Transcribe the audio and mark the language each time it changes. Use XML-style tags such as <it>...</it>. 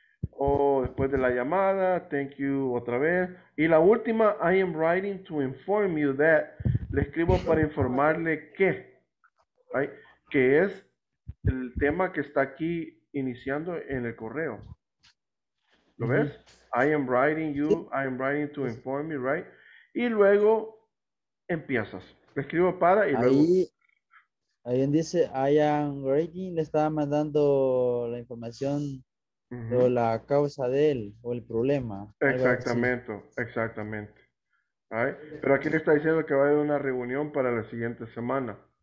<es>O después de la llamada,</es> <en>thank you</en> <es>otra vez. Y la última,</es> <en>I am writing to inform you that.</en> <es>Le escribo para informarle que, right? Que es el tema que está aquí iniciando en el correo. ¿Lo ves?</es> <en>I am writing you, I am writing to inform you, right?</en> <es>Y luego empiezas. Le escribo para y luego. Ahí dice,</es> <en>I am writing,</en> <es>le estaba mandando la información o la causa de él o el problema. Exactamente, exactamente.</es> <en>Right?</en> <es>Pero aquí le está diciendo que va a haber una reunión para la siguiente semana.</es>